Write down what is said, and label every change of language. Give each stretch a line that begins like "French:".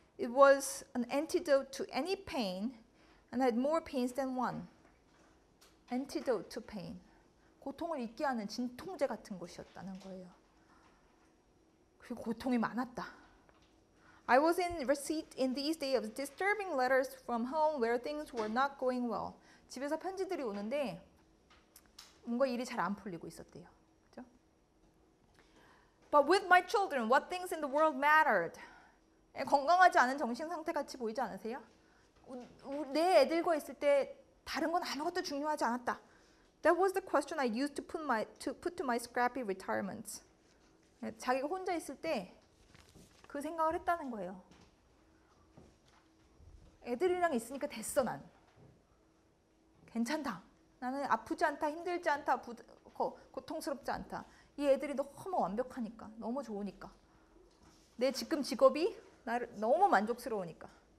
English: It was an antidote to any pain, and I had more pains than one. Antidote to pain.
Korean: 고통을 잊게 하는 진통제 같은 것이었다는 거예요. 그리고 고통이 많았다.
English: I was in these days of disturbing letters from home where things were not going well.
Korean: 집에서 편지들이 오는데 뭔가 일이 잘안 풀리고 있었대요. 그렇죠?
English: But with my children, what things in the world mattered?
Korean: 건강하지 않은 정신 상태 같이 보이지 않으세요? 내 애들과 있을 때 다른 건 아무것도 중요하지 않았다.
English: That was the question I used to put to my scrappy retirement.
Korean: 자기가 혼자 있을 때그 생각을 했다는 거예요. 애들이랑 있으니까 됐어, 난. 괜찮다. 나는 아프지 않다, 힘들지 않다, 고통스럽지 않다. 이 애들이 너무 완벽하니까, 너무 좋으니까. 내 지금 직업이 나를 너무 만족스러우니까.